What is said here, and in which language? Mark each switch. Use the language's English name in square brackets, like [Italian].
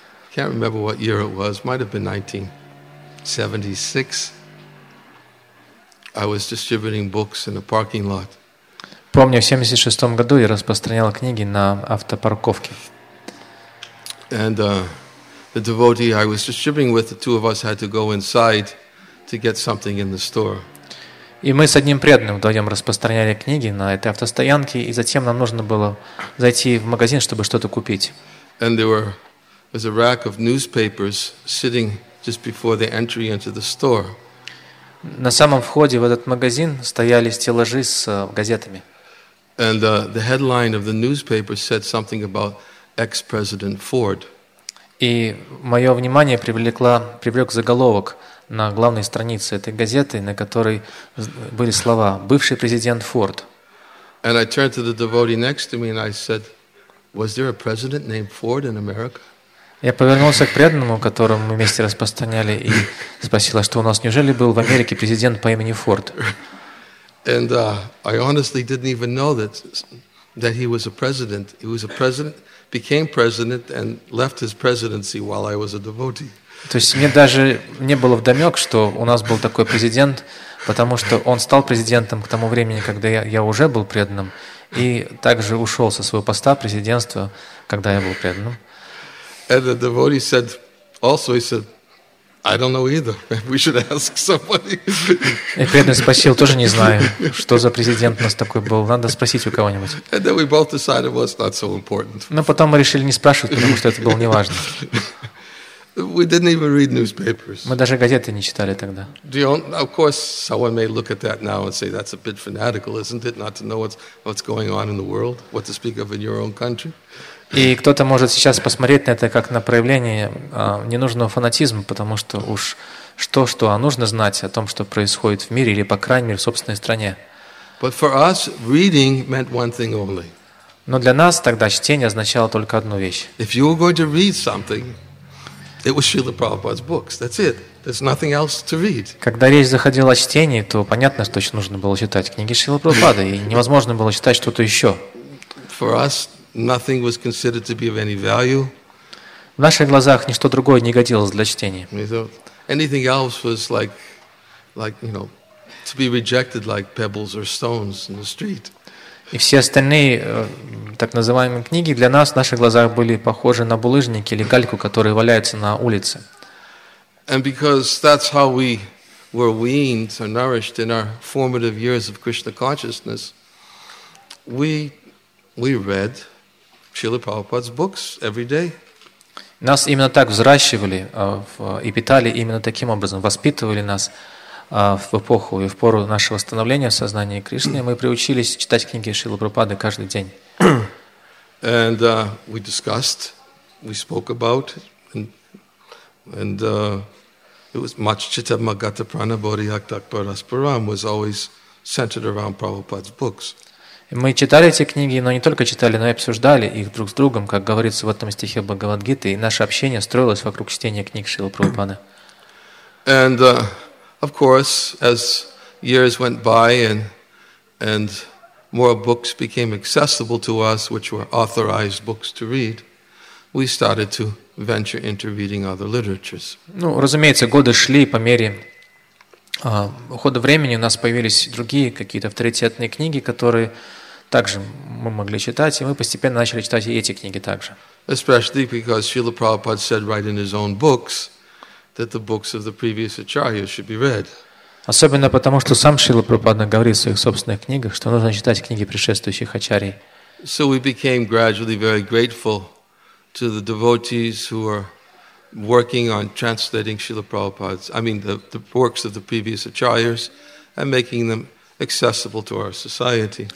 [English] I can't remember what year it was. Might have been 1976. I was distributing books in a parking lot. [Russian] Помню, в 76 году я распространял книги на автопарковке. [English] And the devotee I was distributing with, the two of us had to go inside to get something in the store. [Russian] И мы с одним преданным вдвоем распространяли книги на этой автостоянке, и затем нам нужно было зайти в магазин, чтобы что-то купить. [English] And there was a rack of newspapers sitting just before the entry into the store. [Russian] На самом входе в этот магазин стояли стеллажи с газетами. [English] And the headline of the newspaper said something about ex-president Ford. [Russian] И мое внимание привлек заголовок на главной странице этой газеты, на которой были слова «бывший президент Форд». [English] And I turned to the devotee next to me and I said, "Was there a president named Ford in America?" [Russian] Я повернулся к преданному, которому мы вместе распространяли, и спросил, а что у нас, неужели был в Америке президент по имени Форд? [English] And I honestly didn't even know that he was a president. He was a president, became president, and left his presidency while I was a devotee. [Russian] То есть мне даже не было вдомек, что у нас был такой президент, потому что он стал президентом к тому времени, когда я уже был преданным, и также ушел со своего поста президентства, когда я был преданным. [English] And the devotee said, also he said, "I don't know either. We should ask somebody." [Russian] И преданный спросил, тоже не знаю, что за президент у нас такой был. Надо спросить у кого-нибудь. [English] And then we both decided, well, it's not so important. [Russian] Но потом мы решили не спрашивать, потому что это было неважно. [English] We didn't even read newspapers. [Russian] Мы даже газеты не читали тогда. [English] Of course, someone may look at that now and say that's a bit fanatical, isn't it, not to know what's going on in the world, what to speak of in your own country. [Russian] И кто-то может сейчас посмотреть на это как на проявление ненужного фанатизма, потому что уж что-что, а нужно знать о том, что происходит в мире или, по крайней мере, в собственной стране. [English] But for us, reading meant one thing only. [Russian] Но для нас тогда чтение означало только одну вещь. [English] If you were going to read something, it was Srila Prabhupada's books. That's it. There's nothing else to read. [Russian] Когда речь заходила о чтении, то понятно, что нужно было читать книги Шрилы Прабхупады, и невозможно было читать что-то еще. [English] For us, nothing was considered to be of any value. [Russian] В наших глазах ничто другое не годилось для чтения. [English] Anything else was like you know, to be rejected like pebbles or stones in the street. [Russian] И все остальные так называемые книги для нас в наших глазах были похожи на булыжники или гальку, которые валяются на улице. [English] And because that's how we were weaned or nourished in our formative years of Krishna consciousness, we read Srila Prabhupada's books every day. [Russian] Нас именно так взращивали и питали именно таким образом, воспитывали нас в эпоху и в пору нашего становления в сознании Кришны. Мы приучились читать книги Шрилы Прабхупады каждый день. [English] And we discussed, we spoke about, and it was much [Sanskrit] chitta magata prana bodhi aktak parasparam [English] was always centered around Prabhupada's books. [Russian] Мы читали эти книги, но не только читали, но и обсуждали их друг с другом, как говорится в этом стихе Бхагавад-гиты, и наше общение строилось вокруг чтения книг Шрилы Прабхупады. [English] And of course, as years went by and more books became accessible to us, which were authorized books to read, we started to venture into reading other literatures. [Russian] Ну, разумеется, годы шли, по мере ухода времени у нас появились другие какие-то авторитетные книги, которые также мы могли читать, и мы постепенно начали читать и эти книги также. [English] Especially because Srila Prabhupada said right in his own books that the books of the previous acharya should be read. [Russian] Особенно потому, что сам Шрила Прабхупада говорит в своих собственных книгах, что нужно читать книги предшествующих ачарий. [English] So we became gradually very grateful to the devotees who are working on translating Srila Prabhupada's, the works of the previous acharyas and making them accessible to our society.